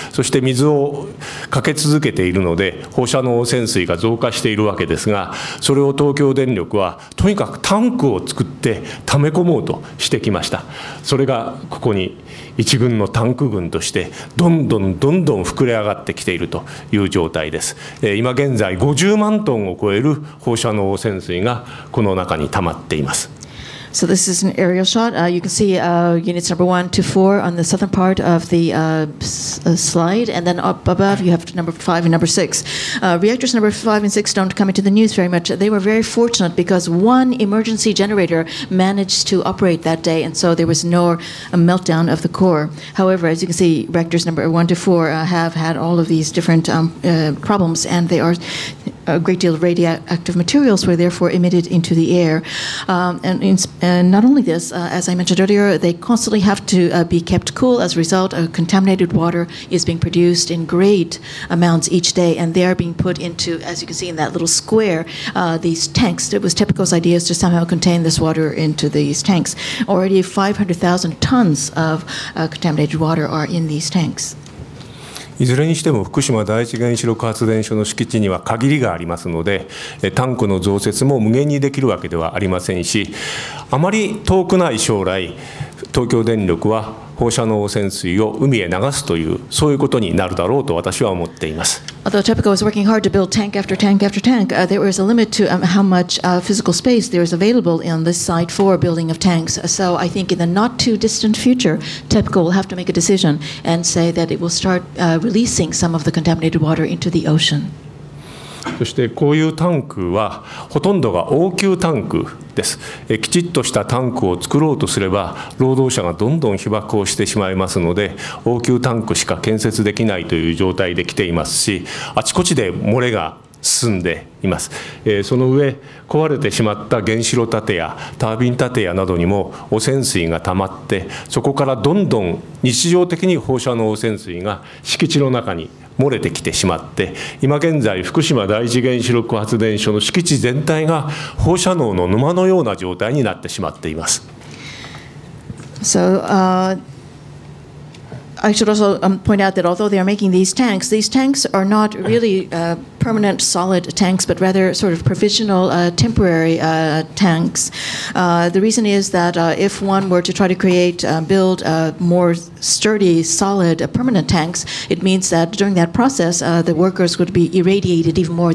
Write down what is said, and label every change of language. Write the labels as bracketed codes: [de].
[ja] そして水をかけ続けているので放射能汚染水が増加しているわけですが、それを東京電力はとにかくタンクを作って溜め込もうとしてきました。それがここに一軍のタンク群としてどんどんどんどん膨れ上がってきているという状態です。今現在50万トンを超える放射能汚染水がこの中に溜まっています。 [en] So this is an aerial shot. You can see units number 1 to 4 on the southern part of the slide, and then up above you have number 5 and number 6. Reactors number 5 and 6 don't come into the news very much. They were very fortunate because one emergency generator managed to operate that day, and so there was no meltdown of the core. However, as you can see, reactors number 1 to 4 have had all of these different problems, and they are a great deal of radioactive materials were therefore emitted into the air. And not only this, as I mentioned earlier, they constantly have to be kept cool. As a result, contaminated water is being produced in great amounts each day, and they are being put into, as you can see in that little square, these tanks. It was TEPCO's idea to somehow contain this water into these tanks. Already 500,000 tons of contaminated water are in these tanks. [ja] いずれにしても福島第一原子力発電所の敷地には限りがありますので、タンクの増設も無限にできるわけではありませんし、あまり遠くない将来東京電力は放射能汚染水を海へ流すというそういうことになるだろうと私は思っています。 [en] Although TEPCO is working hard to build tank after tank after tank, there is a limit to how much physical space there is available on this site for building of tanks. So I think in the not too distant future, TEPCO will have to make a decision and say that it will start releasing some of the contaminated water into the ocean. [ja] そしてこういうタンクはほとんどが応急タンクです。きちっとしたタンクを作ろうとすれば労働者がどんどん被爆をしてしまいますので、応急タンクしか建設できないという状態で来ていますし、あちこちで漏れが進んでいます。その上、壊れてしまった原子炉建屋、タービン建屋などにも汚染水が溜まって、そこからどんどん日常的に放射能汚染水が敷地の中に漏れてきてしまって、今現在福島第一原子力発電所の敷地全体が放射能の沼のような状態になってしまっています。 [en] So, I should also point out that although they are making these tanks are not really permanent solid tanks, but rather sort of provisional temporary tanks. The reason is that if one were to try to create, build more sturdy, solid permanent tanks, it means that during that process, the workers would be irradiated even more.